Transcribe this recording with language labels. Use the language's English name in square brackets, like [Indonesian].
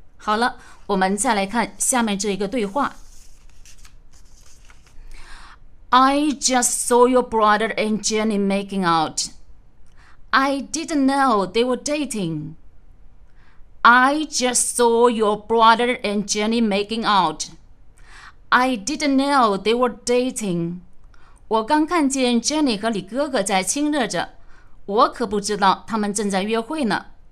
[Chinese] 好了，我们再来看下面这一个对话。 [English] I just saw your brother and Jenny making out. I didn't know they were dating. I just saw your brother and Jenny making out. I didn't know they were dating. [Chinese] 我刚看见 Jenny 和你哥哥在亲热着，我可不知道他们正在约会呢。